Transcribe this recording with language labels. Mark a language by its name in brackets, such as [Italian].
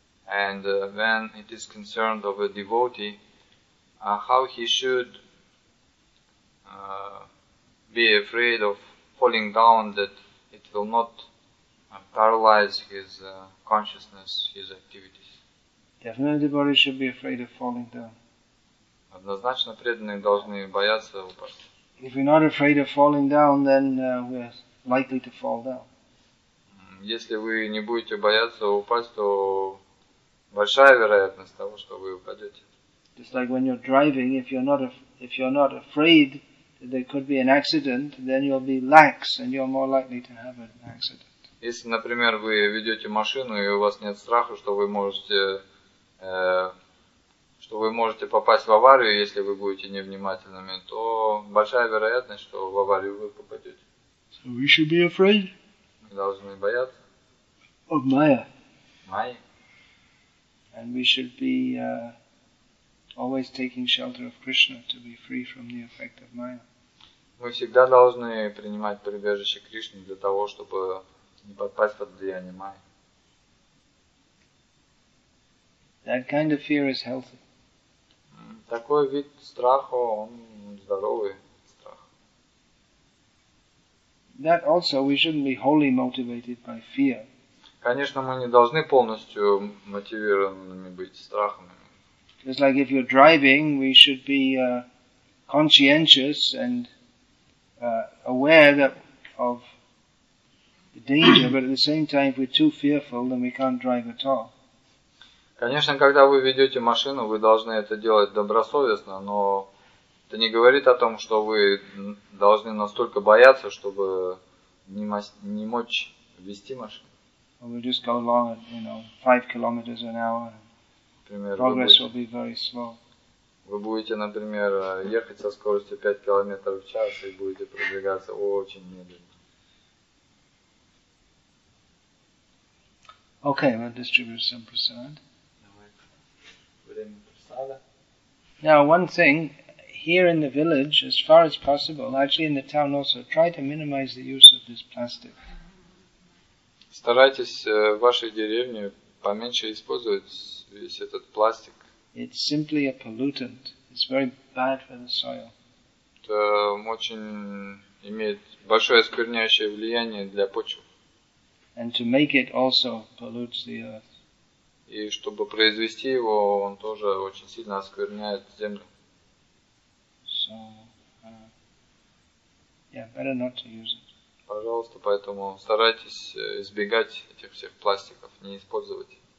[English] And when it is concerned of a devotee, how he should be afraid of falling down, that it will not paralyze his consciousness, his activities. Definitely, devotee should be afraid of falling down. [Russian] Однозначно, преданные должны бояться упасть. [English] If we're not afraid of falling down, then we're likely to fall down. [Russian] Если вы не будете бояться упасть, то большая вероятность того, что вы упадете. [English] Just like when you're driving, if you're not afraid that there could be an accident, then you'll be lax and you're more likely to have an accident. [Russian] Если, например, вы ведете машину и у вас нет страха, что вы можете попасть в аварию, если вы будете невнимательными, то большая вероятность, что в аварию вы попадете. [English] So we should be afraid. [Russian] Мы должны бояться. [English] Of Maya. Maya. And we should be always taking shelter of Krishna to be free from the effect of Maya. [Russian] Мы всегда должны принимать прибежище Кришны для того, чтобы не попасть под влияние майи. [English] That kind of fear is healthy. [Russian] Такой вид страха, он здоровый страх. [English] That also we shouldn't be wholly motivated by fear. [Russian] Конечно, мы не должны полностью мотивированными быть страхами. [English] Just like if you're driving, we should be conscientious and aware that of danger, but at the same time, if we're too fearful, then we can't drive at all. [Russian] Конечно, когда вы ведете машину, вы должны это делать добросовестно, но это не говорит о том, что вы должны настолько бояться, чтобы не мочь вести машину. [English] Or we'll just go along at, you know, 5 kilometers an hour. [Russian] Например, [English] progress will be very slow. [Russian] Вы будете, например, ехать со скоростью 5 километров в час и будете продвигаться очень медленно. [English] Okay, we'll distribute some prasad. [Russian] Время прасада. [English] Now, one thing, here in the village, as far as possible, actually in the town also, try to minimize the use of this plastic. [Russian] Старайтесь в вашей деревне поменьше использовать весь этот пластик. [English] It's simply a pollutant. It's very bad for the soil. [Russian] Это очень имеет большое оскверняющее влияние для почвы. [English] And to make it also pollutes the earth. [Russian] И чтобы произвести его, он тоже очень сильно оскверняет землю. [English] So, better not to use it. [Russian] Пожалуйста, поэтому старайтесь избегать этих всех пластиков, не использовать.